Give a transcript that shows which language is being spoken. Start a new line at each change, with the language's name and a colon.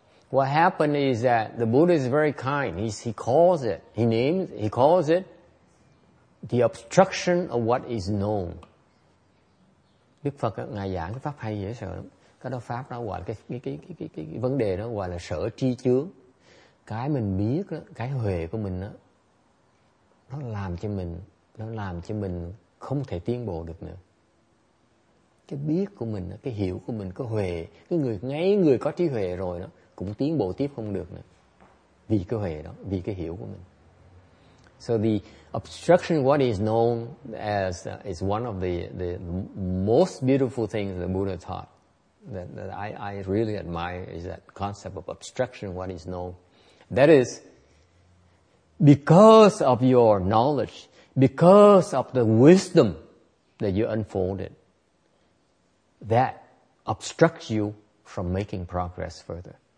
English: What happened is that the Buddha is very kind. He calls it the obstruction of what is known.
Vietnamese: Đức Phật ngài giảng cái pháp hay dễ sợ lắm. Cái đó pháp đó gọi là cái vấn đề đó gọi là sở tri chướng. Cái mình biết đó, cái huệ của mình đó, nó làm cho mình không thể tiến bộ được nữa. Cái biết của mình, cái hiểu của mình, cái huệ, cái người ngay người có trí huệ rồi đó cũng tiến bộ tiếp không được nữa. Vì cái huệ đó, vì cái hiểu của mình.
English: So the obstruction, what is known as, is one of the most beautiful things the Buddha taught that I really admire is that concept of obstruction, what is known. That is, because of your knowledge, because of the wisdom that you unfolded, that obstructs you from making progress further.